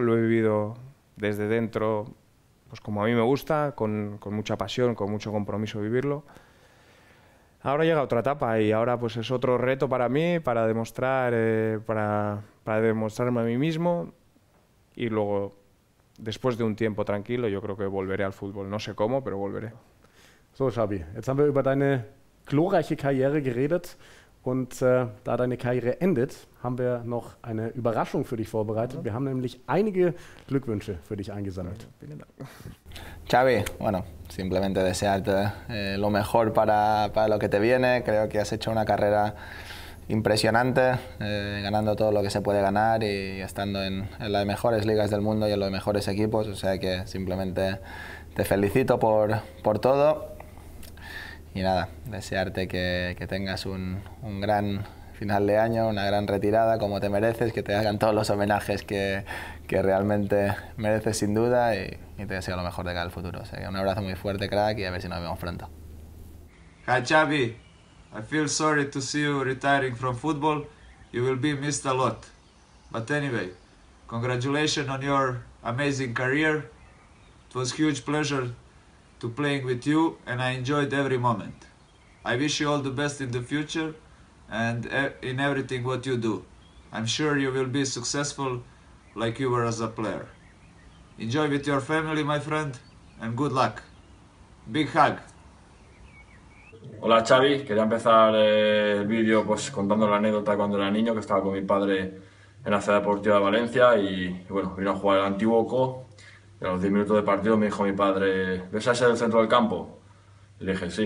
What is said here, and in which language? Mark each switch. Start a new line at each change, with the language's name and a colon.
Spanish: Lo he vivido desde dentro. Pues como a mí me gusta, con mucha pasión, con mucho compromiso vivirlo. Ahora llega otra etapa y ahora pues es otro reto para mí, para demostrar, para demostrarme a mí mismo. Y luego, después de un tiempo tranquilo, yo creo que volveré al fútbol. No sé cómo, pero volveré.
German: So, Xabi, jetzt haben wir über deine glorreiche Karriere geredet. Und da deine Karriere endet, haben wir noch eine Überraschung für dich vorbereitet. Wir haben nämlich einige Glückwünsche für dich eingesammelt.
Spanish: Xavi, bueno, simplemente desearte lo mejor para lo que te viene. Creo que has hecho una carrera impresionante, ganando todo lo que se puede ganar y estando en las mejores ligas del mundo y en los mejores equipos. O sea que simplemente te felicito por todo. Y nada, desearte que tengas un gran final de año, una gran retirada como te mereces, que te hagan todos los homenajes que realmente mereces sin duda y te deseo lo mejor de cara al futuro. O sea, un abrazo muy fuerte, crack, y a ver si nos vemos pronto.
English: Hi, Xavi. I feel sorry to see you retiring from football. You will be missed a lot. But anyway, congratulations on your amazing career. It was a huge pleasure to playing with you, and I enjoyed every moment. I wish you all the best in the future and in everything what you do. I'm sure you will be successful like you were as a player. Enjoy with your family, my friend, and good luck. Big hug.
Spanish: Hola, Xavi. Quería empezar el video pues contando la anécdota cuando era niño, que estaba con mi padre en la Ciudad Deportiva de Valencia y bueno, vino a jugar el Antiguoco. Y a los 10 minutos de partido me dijo mi padre, ¿ves a ese del centro del campo? Y le dije, sí.